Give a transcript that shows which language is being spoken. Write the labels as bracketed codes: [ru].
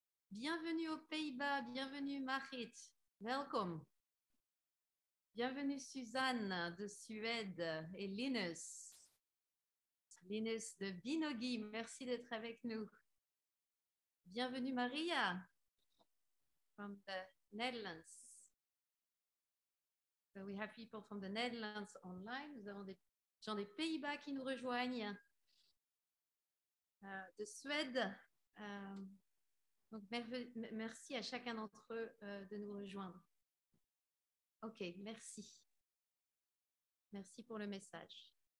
[fr] Bienvenue aux Pays-Bas, bienvenue Marit, welcome. Bienvenue Suzanne de Suède et Linus. Linus de Binogi, merci d'être avec nous. [en] Bienvenue Maria from the Netherlands. So we have people from the Netherlands online. [fr] Nous avons des gens des Pays-Bas qui nous rejoignent, de Suède. Donc merci à chacun d'entre eux de nous rejoindre. OK, merci. Merci pour le message.